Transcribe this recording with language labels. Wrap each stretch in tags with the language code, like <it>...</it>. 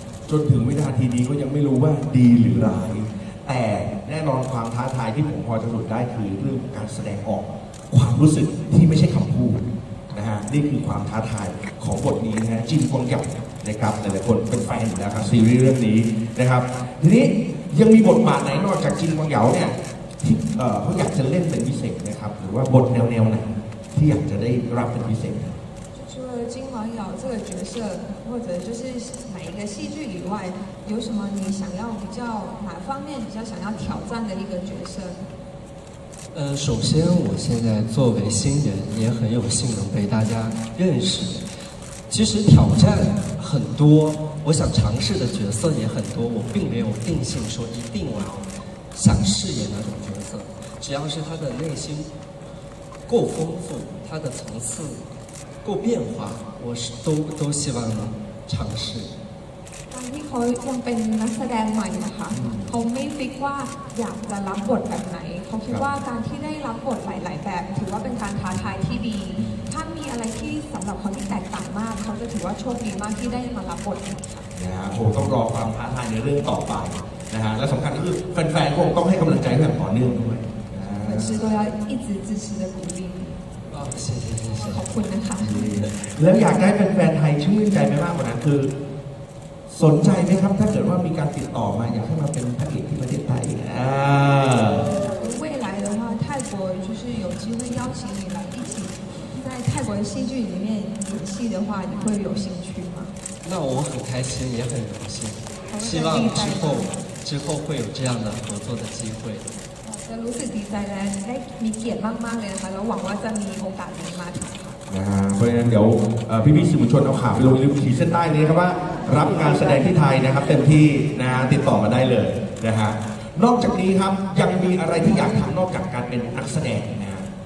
<th>จนถึงวินาทีนี้ก็ยังไม่รู้ว่าดีหรือร้ายแต่แน่นอนความท้าทายที่ผมพอจะหลุดได้คือเรื่องการแสดงออกความรู้สึกที่ไม่ใช่คำพูดนะฮะนี่คือความท้าทายของบทนี้นะฮะจิมกวนกับนะครับหลายๆคนเป็นแฟนนะครับซีรีส์เรื่องนี้นะครับทีนี้ยังมีบทบาทไหนนอกจากจิมกวนเหยาเนี่ยที่เขาอยากจะเล่นเป็นพิเศษนะครับหรือว่าบทแนวๆไหนที่อยากจะได้รับเป็นพิเศษ</th> <zh>金毛鸟这个角色，或者就是哪一个戏剧以外，有什么你想要比较哪方面比较想要挑战的一个角色？首先我现在作为新人，也很有幸能被大家认识。其实挑战很多，我想尝试的角色也很多，我并没有定性说一定我要想饰演哪种角色，只要是他的内心够丰富，他的层次。够变化，我是都希望能尝试。</zh> <th>การที่เขายังเป็นนักแสดงใหม่นะคะเขาไม่คิดว่าอยากจะรับบทแบบไหนเขาคิดว่าการที่ได้รับบทหลายๆแบบถือว่าเป็นการท้าทายที่ดีถ้ามีอะไรที่สำหรับเขาที่แตกต่างมากเขาจะถือว่าโชคดีมากที่ได้มารับบท นะครับผมต้องรอความท้าทายในเรื่องต่อไปนะฮะและสำคัญคือแฟนๆคงต้องให้กำลังใจแบบต่อเนื่องด้วย นะครับ</th> <zh>粉丝都要一直支持的鼓励谢谢</zh> <th>ขอบคุณนะคะ แล้วอยากได้แฟนไทยชื่นใจไปมากกว่านั้นคือสนใจไหมครับถ้าเกิดว่ามีการติดต่อมาอยากให้มาเป็นพระเอกที่ประเทศไทยอ่า</th> <zh>未来的话泰国就是有机会邀请你来一起在泰国戏剧里面演戏的话你会有兴趣吗那我很开心也很荣幸希望之后会有这样的合作的机会</zh> <th>จะรู้ สึ กดี ใจและ ได้มี เกีย รติ มากๆเลยนะคะแล้วหวัง ว่าจะมี โอกาส นี้ มาก นะครับเพราะฉะนั้นเดี๋ยวพี่สื่อมวลชนเอาข่าวไปลงในขีดเส้นใต้นี้ครับว่ารับการแสดงที่ไทยนะครับเต็มที่นะติดต่อมาได้เลยนะฮะนอกจากนี้ครับยังมีอะไรที่อยากทำนอกจากการเป็นนักแสดงนะฮะ</th>